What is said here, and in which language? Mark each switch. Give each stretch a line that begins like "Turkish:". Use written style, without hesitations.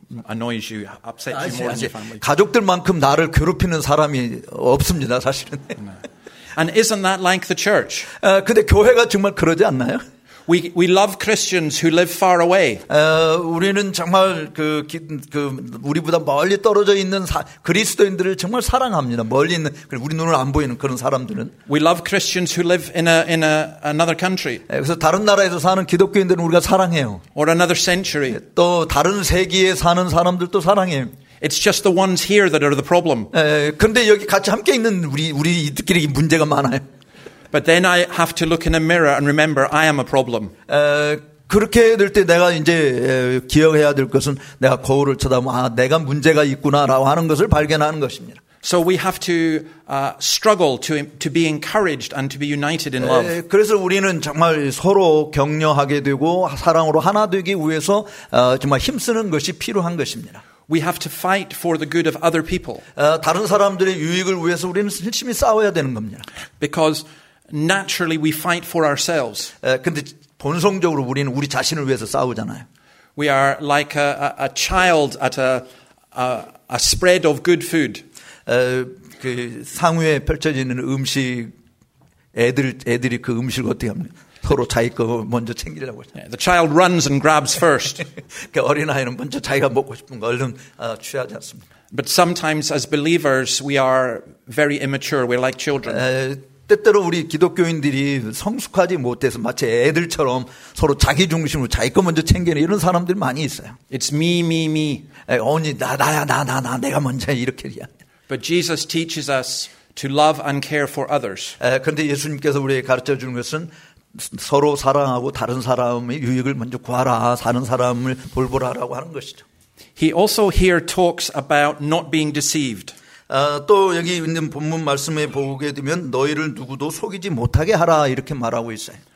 English: annoys you, upset you more than your family.
Korean: 가족들만큼 나를 괴롭히는 사람이 없습니다, 사실은.
English: And isn't that like the church?
Korean: 근데 교회가 정말 그러지 않나요?
English: We love Christians who live far away.
Korean: 우리는 정말 그 우리보다 멀리 떨어져 있는 그리스도인들을 정말 사랑합니다. 멀리 있는 우리 눈을 안 보이는 그런 사람들은.
English: We love Christians who live in a another country.
Korean: 그래서 다른 나라에서 사는 기독교인들은 우리가 사랑해요.
English: Or another century.
Korean: 또 다른 세기에 사는 사람들도 사랑해요.
English: It's just the ones here that are the problem.
Korean: 근데 여기 같이 함께 있는 우리끼리 문제가 많아요.
English: But then I have to look in a mirror and remember I am a problem.
Korean: 그렇게 될 때 내가 이제 기억해야 될 것은 내가 거울을 쳐다보면 내가 문제가 있구나라고 하는 것을 발견하는 것입니다.
English: So we have to struggle to be encouraged and to be united in love.
Korean: 그래서 우리는 정말 서로 격려하게 되고 사랑으로 하나 되기 위해서 정말 힘쓰는 것이 필요한 것입니다.
English: We have to fight for the good of other people.
Korean: 다른 사람들의 유익을 위해서 우리는 열심히 싸워야 되는 겁니다.
English: Because naturally we fight for ourselves.
Korean: 근데 본성적으로 우리는 우리 자신을 위해서 싸우잖아요.
English: We are like a child at a spread of good food.
Korean: 그 상위에 펼쳐지는 음식 애들이 그 음식을 어떻게 합니까? 서로 자기 거 먼저 챙기려고.
English: Yeah, the child runs and grabs first.
Korean: 그 어린아이는 먼저 자기가 먹고 싶은 거 얼른 취하지 않습니다.
English: But sometimes as believers we are very immature. We're like children.
Korean: 때때로 우리 기독교인들이 성숙하지 못해서 마치 애들처럼 서로 자기 중심으로 자기 거 먼저 챙기는 이런 사람들이 많이 있어요.
English: It's me, me, me.
Korean: 언니, 나야, 내가 먼저 이렇게.
English: But Jesus teaches us to love and care for others.
Korean: 그런데 예수님께서 우리에게 가르쳐 주는 것은 서로 사랑하고 다른 사람의 유익을 먼저 구하라, 사는 사람을 돌보라라고 하는 것이죠.
English: He also here talks about not being deceived.
Korean: 또 여기 있는 본문 말씀에 보게 되면 너희를 누구도 속이지 못하게 하라 이렇게 말하고 있어요.